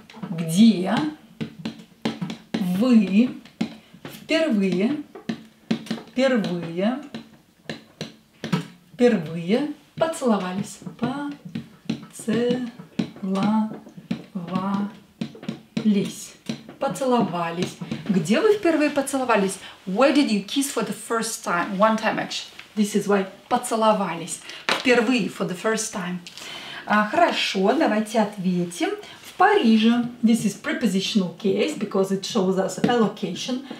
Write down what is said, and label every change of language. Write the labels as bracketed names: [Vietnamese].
[Russian] где вы впервые, впервые поцеловались. Поцеловались. Поцеловались. Где вы впервые поцеловались? [English] Where did you kiss for the first time? One time action. This is why. [Russian] Поцеловались. Впервые, [English] for the first time. [Russian] Хорошо, давайте ответим. В Париже. [English] This is prepositional case, because it shows us a location.